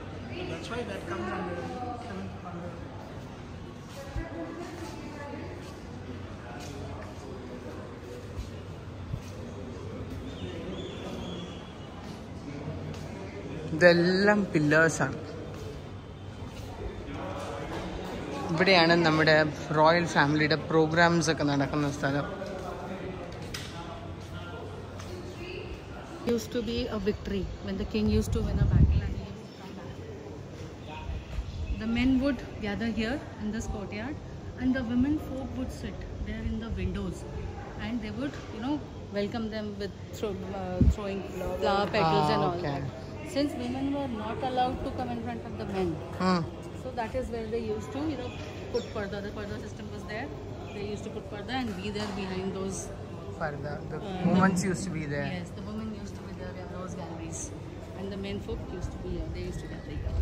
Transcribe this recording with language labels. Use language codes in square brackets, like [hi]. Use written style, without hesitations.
[en] That's why that comes from the 7th. Dellam pillars are. [ml] ഇവിടെയാണ് നമ്മുടെ royal ഫാമിലിയുടെ programmes ഒക്കെ നടക്കുന്ന സ്ഥലം. [en] Used to be a victory when the king used to win a battle and the men would gather here in the courtyard and the women folk would sit there in the windows and they would you know welcome them with throwing flower petals and all that since women were not allowed to come in front of the men. So that is where they used to, you know, put parda. The parda system was there. They used to put parda and be there behind those. Parda. The women used to be there. Yes, the women used to be there in those galleries. And the men folk used to be here. They used to be there.